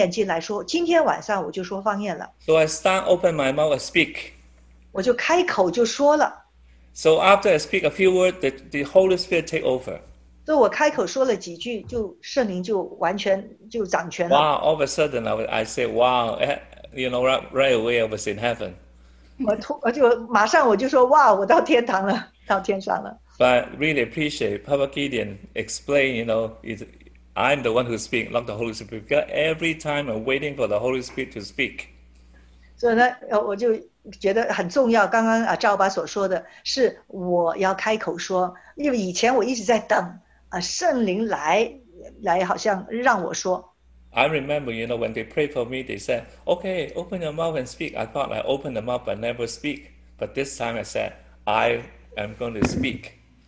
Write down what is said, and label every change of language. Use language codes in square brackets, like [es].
[zh] 我那个时候还不懂得哥林多前书十四章十四节，我只是一个意念进来说，今天晚上我就说方言了。 [en] So I start open my mouth and speak. [zh] 我就开口就说了。 [en] So after I speak a few words, the Holy Spirit take over. [zh] 所以我开口说了几句，就圣灵就完全就掌权了。 [en] Wow, all of a sudden I say, wow, you know, right away I was in heaven. [zh] 我马上我就说，哇，我到天堂了，到天上了。 [en] But really appreciate Papa Gideon explain, you know, I'm the one who speak, not the Holy Spirit. Because every time I'm waiting for the Holy Spirit to speak. So that, [zh] 我就觉得很重要，刚刚赵爸所说的是我要开口说，因为以前我一直在等圣灵来，好像让我说。 [en] I remember, you know, when they prayed for me, they said, okay, open your mouth and speak. I thought I opened them up but never speak. But this time I said, I am going to speak.